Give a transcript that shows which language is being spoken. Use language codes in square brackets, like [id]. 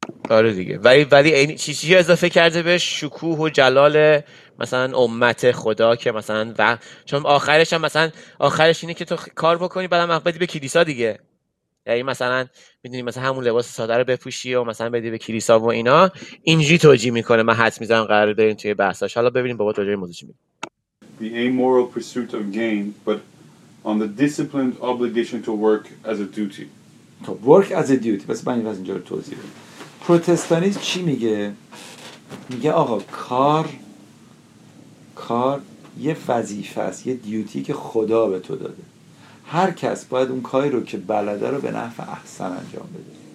[fa] آره دیگه، ولی این چیزی اضافه کرده به شکوه و جلال مثلا امت خدا که مثلا و چون آخرش هم مثلا آخرش اینه که تو کار بکنی بعد هم بدی به کلیسا دیگه، یعنی مثلا میدونی مثلا همون لباس ساده رو بپوشی و مثلا بدی به کلیسا و اینا، اینجی توجیه میکنه. من حدس میزنم قرار بریم توی بحثاش، حالا ببینیم بابا توجیه موضوع چی میگه. [en] The amoral pursuit of gain, but on the disciplined obligation to work as a duty. To work as a duty. [fa] بس من از اینجا رو توضیح بدم. پروتستانیسم چی میگه؟ میگه آقا کار یه وظیفه است، یه دیوتی که خدا به تو داده. هر کس باید اون کاری رو که بلده رو به نفع احسن انجام بده.